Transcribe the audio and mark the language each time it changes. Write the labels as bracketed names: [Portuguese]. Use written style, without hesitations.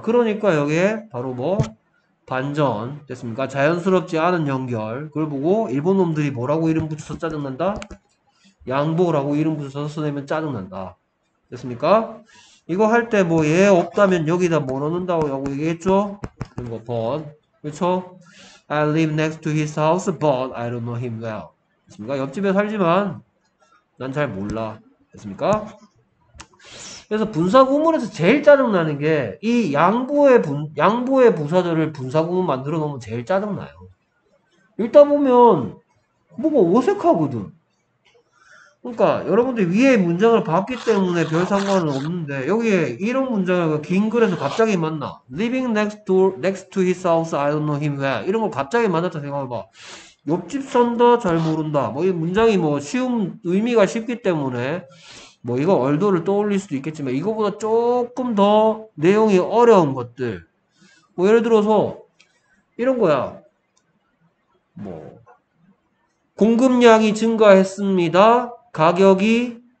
[Korean] 그러니까 여기에 바로 뭐? 반전 됐습니까? 자연스럽지 않은 연결. 그걸 보고 일본 놈들이 뭐라고 이름 붙여서 짜증난다? 양보라고 이름 붙여서 써내면 짜증난다. 됐습니까? 이거 할때뭐얘 없다면 여기다 뭐 넣는다고 얘기했죠? 이런 거 번. 그렇죠? [English] I live next to his house, but I don't know him well. [Korean] 됐습니까? 옆집에 살지만 난잘 몰라. 됐습니까? 그래서 분사구문에서 제일 짜증나는 게이 양보의 부사절을 분사구문 만들어 놓으면 제일 짜증나요. 읽다 보면 뭔가 어색하거든. 그러니까 여러분들 위에 문장을 봤기 때문에 별 상관은 없는데 여기에 이런 문장을 긴 글에서 갑자기 만나. [English] Living next to his house, I don't know him well. [Korean] 이런 걸 갑자기 만났다 생각해봐. 옆집 산다, 잘 모른다. 뭐이 문장이 뭐 쉬운 의미가 쉽기 때문에. 뭐 이거 얼도를 떠올릴 수도 있겠지만 이거보다 조금 더 내용이 어려운 것들 뭐 예를 들어서 이런 거야 뭐 공급량이 증가했습니다 가격이